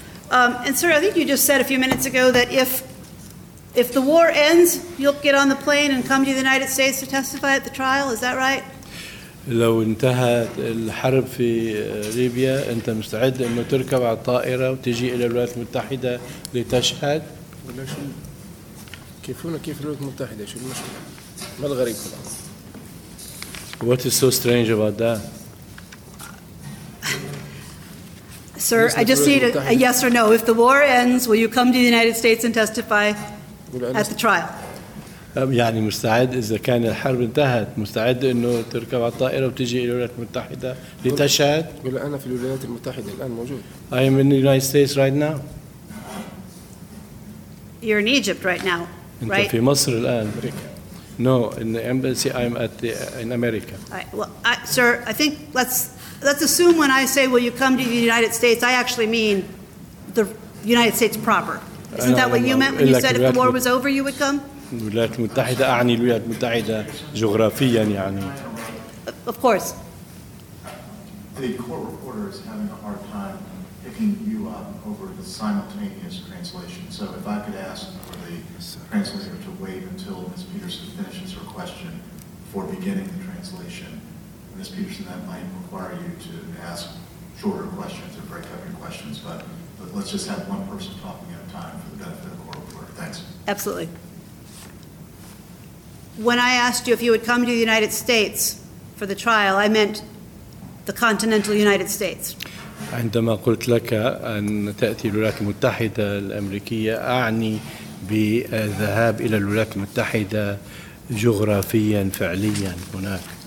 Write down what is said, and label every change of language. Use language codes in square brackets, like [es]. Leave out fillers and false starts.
[en] And sir, I think you just said a few minutes ago that if the war ends, you'll get on the plane and come to the United States to testify at the trial. Is that right? [ar] لو انتهت الحرب في ليبيا انت مستعد انه تركب على الطائرة وتجي الى الولايات المتحدة لتشهد ولا شو كيفونا كيف الولايات المتحدة شو المشكلة ما الغريب هنا [en] What is so strange about that? Sir, I just need a yes or no. If the war ends, will you come to the United States and testify at the trial? [ar] يعني مستعد إذا كان الحرب انتهت مستعد إنه تركب على الطائرة وتجي إلى الولايات المتحدة لتشهد. ولا أنا في الولايات المتحدة الآن موجود. [en] I am in the United States right now. You're in Egypt right now, right? [ar] أنت في مصر الآن. أمريكا. [en] No, in the embassy. I'm at the in America. All right. Well, sir, I think let's assume when I say will you come to the United States, I actually mean the United States proper. Isn't that what you meant when you said if the war was over, you would come? [ar] الولايات المتحدة أعني الولايات المتحدة جغرافيا يعني. [en] Of course. The court reporter is having a hard time picking you up over the simultaneous translation. So if I could ask for the translator to wait until Ms. Peterson finishes her question before beginning the translation, Ms. Peterson, that might require you to ask shorter questions or break up your questions. But let's just have one person talking at a time for the benefit of the court reporter. Thanks. Absolutely. When I asked you if you would come to the United States for the trial, I meant the continental United States. [ar] عندما قلت لك أن تأتي الولايات المتحدة الأمريكية أعني بالذهاب إلى الولايات المتحدة جغرافيا فعليا هناك.